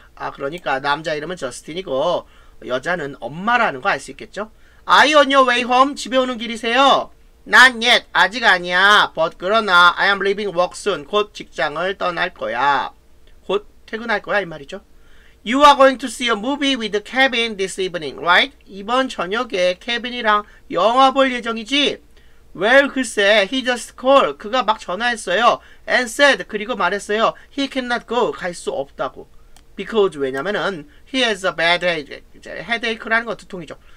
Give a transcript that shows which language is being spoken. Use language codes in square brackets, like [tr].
[ko] 아, 그러니까 남자 이름은 저스틴이고 여자는 엄마라는 거 알 수 있겠죠? [en] I on your way home? [ko] 집에 오는 길이세요? [en] Not yet. [ko] 아직 아니야. But 그러나 [en] I am leaving work soon. [ko] 곧 직장을 떠날 거야. 곧 퇴근할 거야 이 말이죠. [en] You are going to see a movie with Kevin this evening, right? [ko] 이번 저녁에 케빈이랑 영화 볼 예정이지? [en] Well, 글쎄, he just called. [ko] 그가 막 전화했어요. [en] And said, [ko] 그리고 말했어요. [en] He cannot go. [ko] 갈 수 없다고. [en] Because, 왜냐면은, he has a bad headache. headache라는 건 두통이죠.